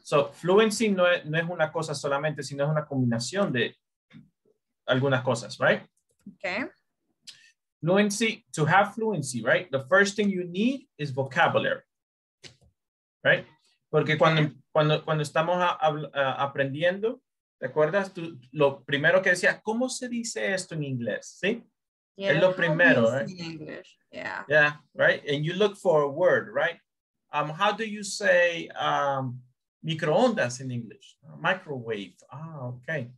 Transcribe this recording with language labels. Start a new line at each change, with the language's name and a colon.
Spanish: So fluency no es una cosa solamente, sino es una combinación de algunas cosas, right?
English: Okay. Fluency, to have fluency, right? The first thing you need is vocabulary, right?
Spanish: Porque cuando estamos aprendiendo, ¿te acuerdas? Tú, lo primero que decías, ¿cómo se dice esto en inglés? ¿Sí?
English: Yeah,
Spanish: es lo primero, right?
English: In English. Yeah. Yeah, right? And you look for a word, right? How do you say microondas in English? Microwave. Ah, okay.